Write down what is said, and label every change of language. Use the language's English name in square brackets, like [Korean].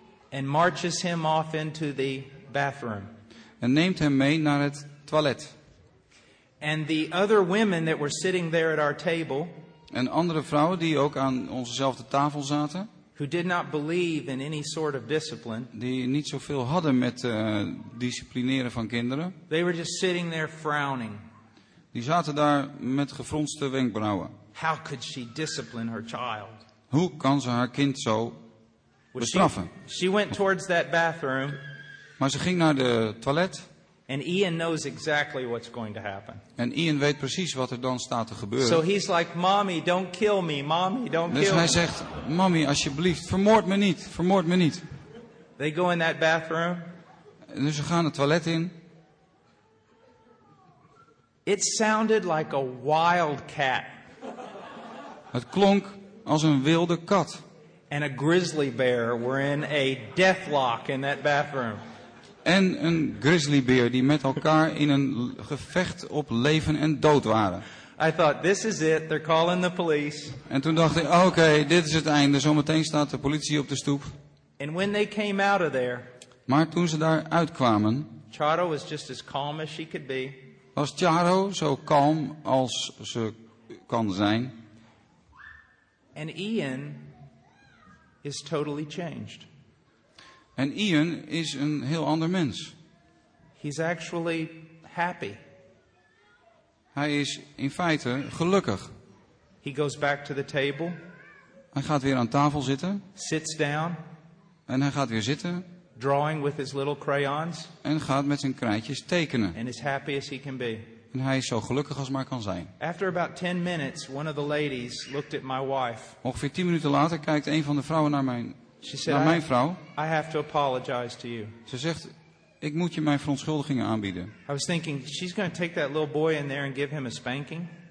[English] And marches him off into the bathroom. [Dutch] En neemt hem mee naar het toilet. [English] And the other women that were sitting there at our table. [Dutch] En andere vrouwen die ook aan onzezelfde tafel zaten. [English] Who did not believe in any sort of discipline. [Dutch] Die niet zoveel hadden met disciplineren van kinderen. [English] They were just sitting there frowning. [Dutch] Die zaten daar met gefronste wenkbrauwen. [English] How could she discipline her child? [Dutch] Hoe kan ze haar kind zo bestraffen? [English] She went towards that bathroom. [Dutch] Maar ze ging naar de toilet. [English] And Ian knows exactly what's going to happen. [Dutch] En Ian weet precies wat er dan staat te gebeuren. [English] So he's like, "Mommy, don't kill me. Mommy, don't kill me." [Dutch] Dus hij zegt: "Mommy, alsjeblieft, vermoord me niet. Vermoord me niet." [English] They go in that bathroom. [Dutch] En dus ze gaan het toilet in. [English] It sounded like a wild cat. [Dutch] Het klonk als een wilde kat. [English] And a grizzly bear were in a deathlock in that bathroom. [Dutch] En een grizzlybeer die met elkaar in een gevecht op leven en dood waren. [English] I thought, this is it. They're calling the police. [Dutch] En toen dacht ik, okay, dit is het einde. Zometeen staat de politie op de stoep. [English] And when they came out of there, [Dutch] maar toen ze daar uitkwamen, [English] Charo was just as calm as she could be. [Dutch] Was Charo zo kalm als ze kan zijn? [English] And Ian is totally changed. [Dutch] En Ian is een heel ander mens. [English] He's actually happy. [Dutch] Hij is in feite gelukkig. [English] He goes back to the table. [Dutch] Hij gaat weer aan tafel zitten. [English] Sits down. [Dutch] En hij gaat weer zitten. [English] Drawing with his little crayons. [Dutch] En gaat met zijn krijtjes tekenen. [English] And as happy as he can be. [Dutch] En hij is zo gelukkig als maar kan zijn. [English] After about 10 minutes, one of the ladies looked at my wife. [Dutch] Ongeveer 10 minuten later kijkt een van de vrouwen naar mijn [English] She said, [Dutch] naar mijn vrouw. [English] I have to apologize to you. [Dutch] Ze zegt, ik moet je mijn verontschuldigingen aanbieden. [English] I was thinking, she's going to take that little boy in there and give him a spanking.